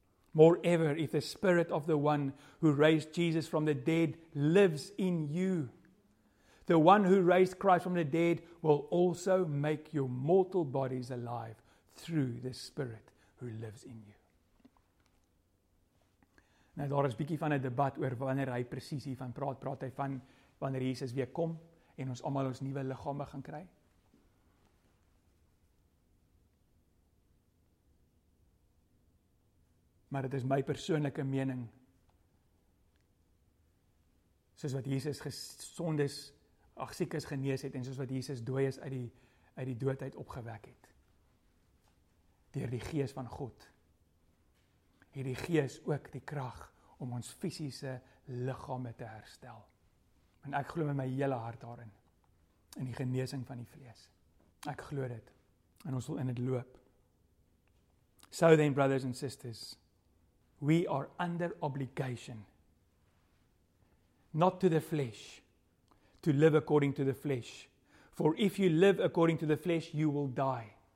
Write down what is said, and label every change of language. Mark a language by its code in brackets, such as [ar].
[en] Moreover, if the spirit of the one who raised Jesus from the dead lives in you, the one who raised Christ from the dead will also make your mortal bodies alive through the spirit who lives in you. [af] Nou, daar is bietjie van 'n debat oor wanneer hy presies hiervan praat. Praat hy van wanneer Jesus weer kom en ons almal ons nuwe liggame gaan kry? Maar dit is my persoonlike mening. Soos wat Jesus gesondes, ag siekes genees het en soos wat Jesus dooies uit die dood uit opgewek het. Deur die Gees van God. Het die Gees ook die krag om ons fisiese liggame te herstel. En ek glo met my hele hart daarin. In die genesing van die vlees. Ek glo dit. En ons wil in dit loop. [en] So then brothers and sisters, we are under obligation, not to the flesh, to live according to the flesh. For if you live according to the flesh, you will die.